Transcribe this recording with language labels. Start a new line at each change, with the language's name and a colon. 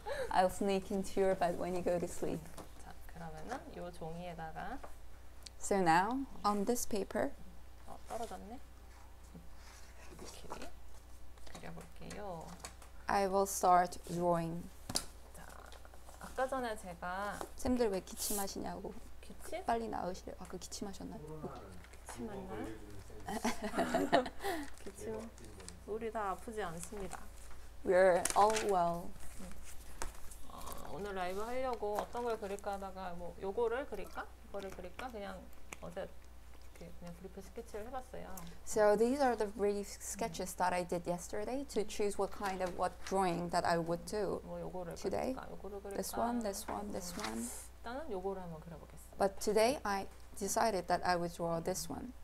English: I'll sneak into your bed when you go to sleep.
Korean: 자, 그러면은 요 종이에다가
English: So now, on this paper
Korean: 떨어졌네. 이렇게 그려볼게요.
English: I will start drawing.
Korean: 자, 아까 전에 제가 쌤들 왜 기침 마시냐고 기침? 빨리 나으시래. 아까 기침 하셨나요? 기침 맞나? 기침. 우리 다 아프지 않습니다.
English: We are all well.
Korean: 오늘 라이브 하려고 어떤 걸 그릴까 하다가 뭐 요거를 그릴까? 이거를 그릴까? 그냥 어제 이렇게 그냥 브리프 스케치를 해봤어요.
English: So these are the brief sketches that I did yesterday to choose what kind of what drawing that I would do
Korean: 뭐 요거를
English: today.
Korean: 요거를 그릴까?
English: This one.
Korean: 일단은 요거를 한번 그려보겠습니다.
English: But today I decided that I would draw this one.